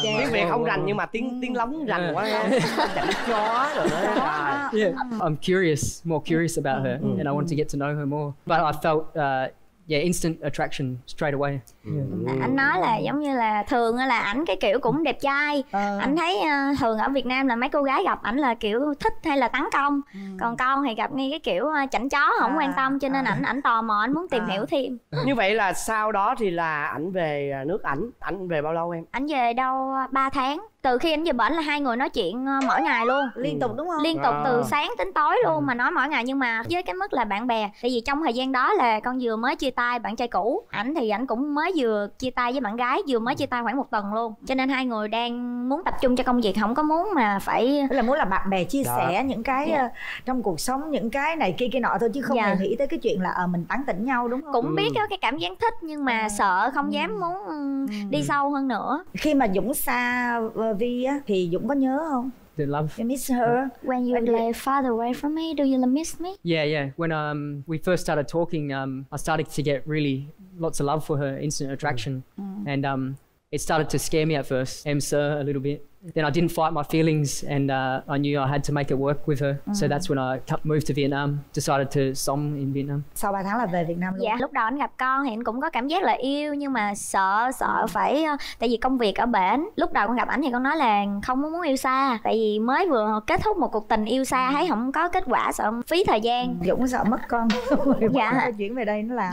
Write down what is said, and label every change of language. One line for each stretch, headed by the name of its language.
Vietnamese: Tiếng Việt không rành nhưng mà tiếng lóng rành quá. Chân chó rồi.
English: Yeah, I'm more curious about her and I want to get to know her more, but I felt instant attraction straight away.
Vietnamese: Anh nói là giống như là thường là ảnh cái kiểu cũng đẹp trai. Anh thấy thường ở Việt Nam là mấy cô gái gặp ảnh là kiểu thích hay là tấn công. Còn con thì gặp ngay cái kiểu chảnh chó không quan tâm, cho nên ảnh tò mò, ảnh muốn tìm hiểu thêm. Như vậy là sau đó thì là ảnh về nước ảnh. Ảnh về bao lâu em? Ảnh về đâu 3 tháng. từ khi anh vừa bển là hai người nói chuyện mỏi ngày luôn, liên tục đúng không, liên tục từ sáng tới tối luôn mà nói mỏi ngày. Nhưng mà với cái mức là bạn bè, tại vì trong thời gian đó là con vừa mới chia tay bạn trai cũ, ảnh thì ảnh cũng mới vừa chia tay với bạn gái, vừa mới chia tay khoảng một tuần luôn, cho nên hai người đang muốn tập trung cho công việc, không có muốn mà phải là muốn là bạn bè chia sẻ những cái trong cuộc sống, những cái này kia kia nọ thôi, chứ không hề nghĩ tới cái chuyện là mình tán tỉnh nhau đúng không. Cũng biết có cái cảm giác thích nhưng mà sợ không dám muốn đi sâu hơn nữa. Khi mà Dũng xa Vi á thì Dũng có nhớ không?
English: Did love. You miss her. When you lay far away from me, do you miss me? Yeah, yeah. When we first started talking, I started to get really lots of love for her, instant attraction, and it started to scare me at first, a little bit. Then I didn't fight my feelings, and I knew I had to make it work with her. So that's when I moved to Vietnam, decided to
Vietnamese: sống
English: in Vietnam.
Vietnamese: Sau 3 tháng là về Việt Nam luôn. Dạ, lúc đầu anh gặp con thì anh cũng có cảm giác là yêu, nhưng mà sợ phải, tại vì công việc ở bển. Lúc đầu con gặp anh thì con nói là không muốn yêu xa, tại vì mới vừa kết thúc một cuộc tình yêu xa, thấy không có kết quả, sợ phí thời gian. Dũng sợ mất con. Dạ. Chuyển về đây nó làm.